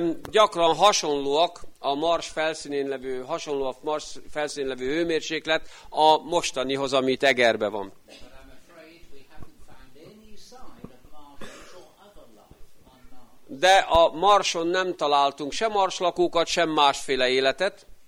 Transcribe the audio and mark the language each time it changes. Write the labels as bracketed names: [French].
[Hungarian] Gyakran hasonlóak a Mars felszínén levő, hasonló a Mars felszínén levő hőmérséklet a mostanihoz, amit Egerbe van. [English] But I'm afraid we haven't found any sign of Mars or other life on Mars. [Hungarian] De a Marson nem találtunk sem marslakókat, sem másféle életet.